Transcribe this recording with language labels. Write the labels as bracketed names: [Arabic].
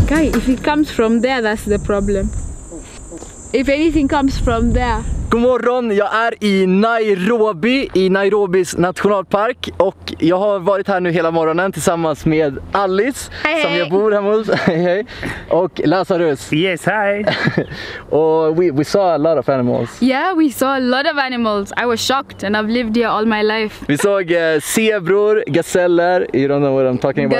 [English] If it comes from there, that's the problem. If anything comes from there. [Swedish] God morgon, jag är i Nairobi, i Nairobis nationalpark. Och jag har varit här nu hela morgonen tillsammans med Alice. [English] Hey, [Swedish] som [English] hey. [Swedish] Jag bor hemma hos. Hej, hej. Och Lazarus. [English] Yes, hi. Och we saw a lot of animals. Yeah, we saw a lot of animals. I was shocked and I've lived here all my life. [Swedish] Vi såg zebror, gazeller. [English] You don't know what I'm talking about.